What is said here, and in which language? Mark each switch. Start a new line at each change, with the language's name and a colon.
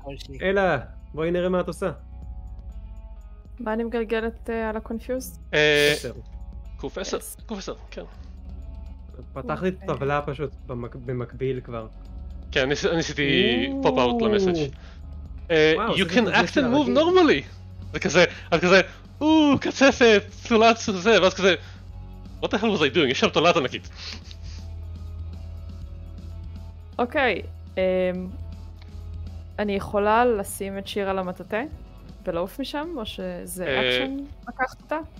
Hebrew: כל שני. אלה, בואי נראה מה את עושה. מה אני מגלגלת על הקונפיוז? קוף 10, כן. פתחתי טבלה פשוט במקביל כבר. כן, אני עשיתי פופ-אוט למסאג'.
English: you can act and move normally.
Hebrew: וכזה, את כזה, אוו, קצפת, תולעת זה, ואז כזה,
English: what the hell was I doing?
Hebrew: יש שם תולעת ענקית. אוקיי, אני יכולה לשים את שיר על המטטה? ולעוף משם? או שזה אקשן לקחת אותה?